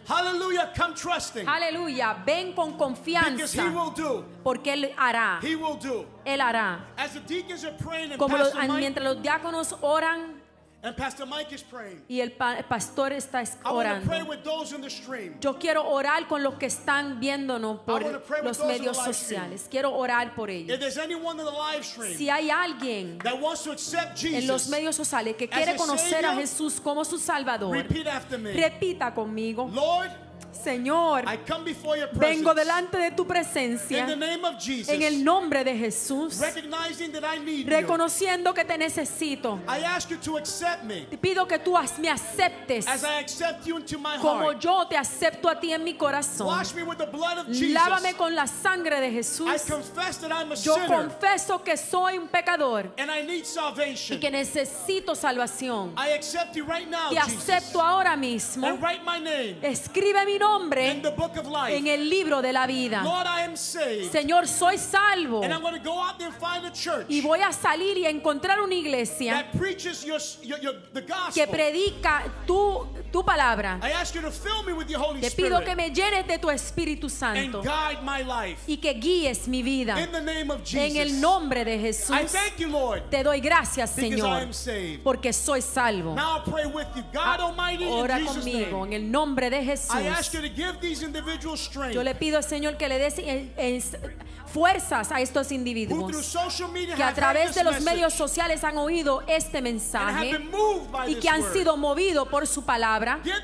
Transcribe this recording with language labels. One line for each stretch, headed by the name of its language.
English: Hallelujah, come trusting.
Spanish: Hallelujah, ven con confianza.
English: Because he will do.
Spanish: Porque él hará.
English: He will do.
Spanish: Él hará.
English: As the deacons are praying and
Spanish: Como
English: Pastor Mike,
Spanish: mientras los diáconos oran
English: and Pastor Mike is praying,
Spanish: y el pastor está orando
English: I want to pray with those in the stream.
Spanish: Yo quiero orar con los que están viéndonos por los medios sociales quiero orar por ellos
English: If there's anyone in the live stream
Spanish: si hay alguien
English: that wants to accept Jesus
Spanish: en los medios sociales que quiere conocer
English: Savior,
Spanish: a Jesús como su Salvador
English: repeat after me.
Spanish: Repita conmigo
English: Lord
Spanish: Señor,
English: I come before your presence,
Spanish: vengo delante de tu presencia
English: in the name of Jesus,
Spanish: en el nombre de Jesús
English: recognizing that I need
Spanish: reconociendo
English: you.
Spanish: Que te necesito
English: I ask you to accept me,
Spanish: te pido que tú me aceptes
English: as I accept you into my
Spanish: como
English: heart.
Spanish: Yo te acepto a ti en mi corazón
English: Wash me with the blood of Jesus.
Spanish: Lávame con la sangre de Jesús
English: I confess that I'm a
Spanish: yo
English: sinner,
Spanish: confeso que soy un pecador
English: and I need salvation.
Spanish: Y que necesito salvación
English: I accept you right now,
Spanish: te acepto
English: Jesus.
Spanish: Ahora mismo
English: and write my name.
Spanish: Escribe mi nombre nombre en el libro de la vida.
English: Lord, I am saved.
Spanish: Señor, soy salvo.
English: And I'm going to go out there and find a church.
Spanish: Y voy a salir y encontrar una iglesia
English: that preaches your the gospel.
Spanish: Que predica tu palabra.
English: I ask you to fill me with your Holy
Spanish: Te pido
English: Spirit
Spanish: que me llenes de tu Espíritu Santo.
English: And guide my life.
Spanish: Y que guíes mi vida.
English: In the name of Jesus.
Spanish: En el nombre de Jesús.
English: I thank you, Lord,
Spanish: te doy gracias, Señor.
English: Because I am saved.
Spanish: Porque soy salvo.
English: Now I pray with you. God Almighty,
Spanish: ora
English: in Jesus
Spanish: conmigo
English: name,
Spanish: en el nombre de Jesús.
English: I ask you to give these individuals strength.
Spanish: Yo le pido al Señor que le des fuerzas a estos individuos que a través de los medios sociales han oído este mensaje y que han sido movidos por su palabra.